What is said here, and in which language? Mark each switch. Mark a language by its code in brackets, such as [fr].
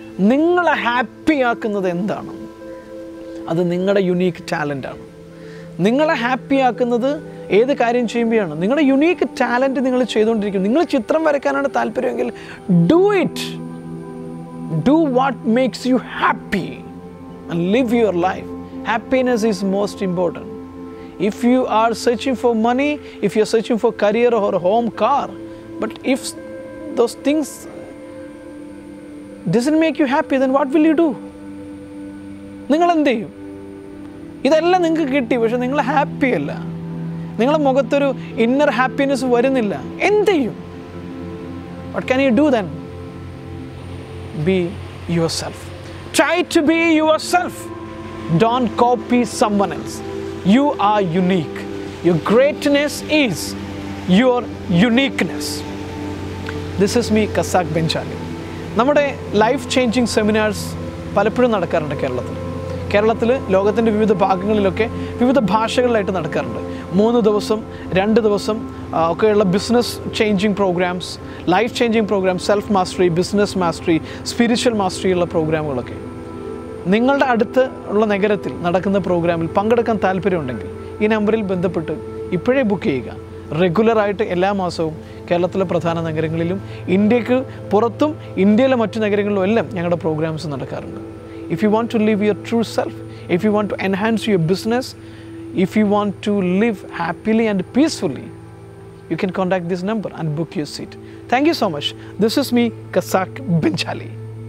[ml] നിങ്ങളെ ഹാപ്പി ആക്കുന്നത് എന്താണ്? അത് നിങ്ങളുടെ യുണീക്ക് ടാലൻ്റാണ്. നിങ്ങളെ ഹാപ്പി ആക്കുന്നത് ഏത് കാര്യം ചെയ്യുമ്പോഴാണ്? നിങ്ങളുടെ യുണീക്ക് ടാലൻ്റ് നിങ്ങൾ ചെയ്തുകൊണ്ടിരിക്കുന്നു. നിങ്ങൾ ചിത്രം വരയ്ക്കാനാണ് താല്പര്യമെങ്കിൽ [en] Do it. Do what makes you happy. And live your life. Happiness is most important. If you are searching for money, if you are searching for career or a home, car, but if those things doesn't make you happy, then what will you do? [ml] നിങ്ങൾ എന്ത് ചെയ്യും? ഇതെല്ലാം നിങ്ങൾക്ക് കിട്ടി, പക്ഷെ നിങ്ങൾ happy അല്ല. നിങ്ങളുടെ മുഖത്തൊരു ഇന്നർ ഹാപ്പിനെസ് വരുന്നില്ല. എന്ത് ചെയ്യും? [en] What can you do then? Be yourself. Try to be yourself. Don't copy someone else. You are unique. Your greatness is your uniqueness. This is me, [ml] Casac Benjali. Nammude life changing seminars palappozhum nadakkarundu Keralathil. കേരളത്തിൽ ലോകത്തിൻ്റെ വിവിധ ഭാഗങ്ങളിലൊക്കെ വിവിധ ഭാഷകളിലായിട്ട് നടക്കാറുണ്ട്. 3 ദിവസം 2 ദിവസം ഒക്കെയുള്ള business changing programmes, life changing programmes, self mastery, business mastery, spiritual മാസ്റ്ററിയുള്ള പ്രോഗ്രാമുകളൊക്കെ. നിങ്ങളുടെ അടുത്ത് ഉള്ള നഗരത്തിൽ നടക്കുന്ന പ്രോഗ്രാമിൽ പങ്കെടുക്കാൻ താല്പര്യമുണ്ടെങ്കിൽ ഈ നമ്പറിൽ ബന്ധപ്പെട്ട് ഇപ്പോഴേ ബുക്ക് ചെയ്യുക. റെഗുലറായിട്ട് എല്ലാ മാസവും കേരളത്തിലെ പ്രധാന നഗരങ്ങളിലും ഇന്ത്യക്ക് പുറത്തും ഇന്ത്യയിലെ മറ്റു നഗരങ്ങളിലും എല്ലാം ഞങ്ങളുടെ പ്രോഗ്രാംസ് നടക്കാറുണ്ട്. [en] If you want to live your true self, if you want to enhance your business, if you want to live happily and peacefully, you can contact this number and book your seat. Thank you so much. This is me, Casac Benjali.